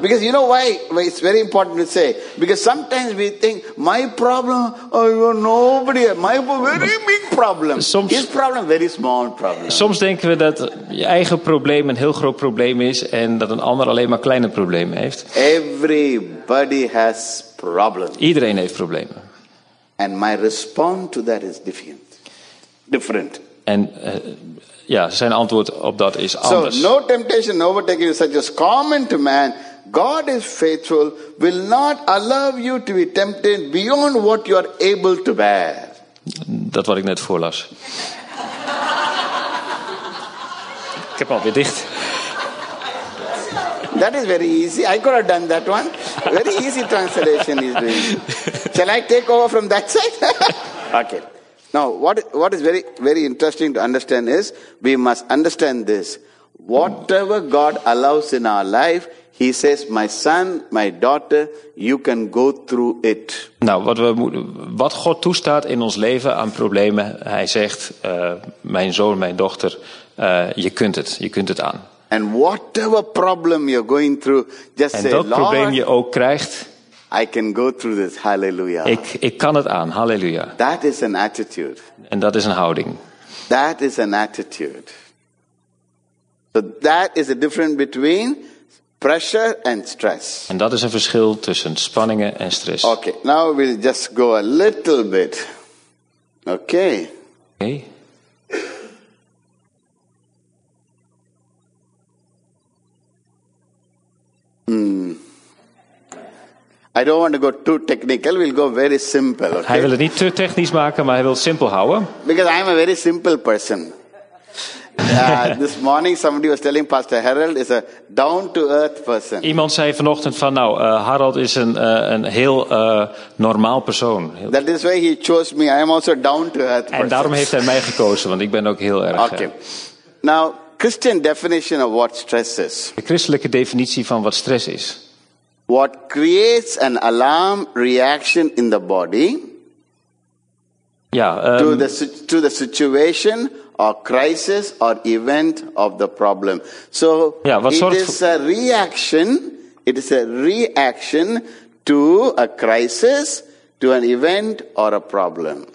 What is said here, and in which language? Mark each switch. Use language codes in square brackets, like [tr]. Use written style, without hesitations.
[en] Because you know why it's very important to say? Because sometimes we think, my problem, nobody, my very big problem. [nl] Soms, [en] his problem, very small problem. [nl] Soms denken we dat je eigen probleem een heel groot probleem is en dat een ander alleen maar kleine problemen heeft. [en] Everybody has problems. [nl] Iedereen heeft problemen. [en] And my response to that is different. [nl] En ja, zijn antwoord op dat is anders. [en] So no temptation overtaking is such as common to man. God is faithful, will not allow you to be tempted beyond what you are able to bear. [nl] Dat wat ik net voorlas. Ik heb al weer dicht. [en] That is very easy. I could have done that one. Very easy translation is doing. Shall I take over from that side? Okay. Now, what is very, very interesting to understand is, we must understand this. Whatever God allows in our life, He says, my son, my daughter, you can go through it. [nl] Nou, wat God toestaat in ons leven aan problemen, Hij zegt, mijn zoon, mijn dochter, je kunt het aan. [en] And whatever problem you're going through, just [nl] en [en] say, [nl] welk probleem [en] Lord, [nl] je ook krijgt, [en] I can go through this. Hallelujah. [nl] Ik kan het aan. Hallelujah. [en] That is an attitude. [nl] En dat is een houding. [en] That is an attitude. So that is the difference between pressure and stress. [nl] En dat is een verschil tussen spanningen en stress. [en] Okay, now we'll just go a little bit. Okay. Okay. I don't want to go too technical. We'll go very simple. Okay? [nl] Hij wil het niet te technisch maken, maar hij wil het simpel houden. [en] Because I'm a very simple person. this morning somebody was telling Pastor Harold is a down-to-earth person. [nl] Iemand zei vanochtend van, nou, Harold is een heel normaal persoon. [en] That is why he chose me. I am also down-to-earth person. [nl] En daarom heeft hij mij gekozen, want ik ben ook heel erg. [en] Okay. Now, Christian definition of what stress is. [nl] De christelijke definitie van wat stress is. [en] What creates an alarm reaction in the body? [nl] Ja, [en] to the situation or crisis or event of the problem. So [nl] ja, wat [en] it [nl] soort [en] is a reaction. It is a reaction to a crisis, to an event or a problem.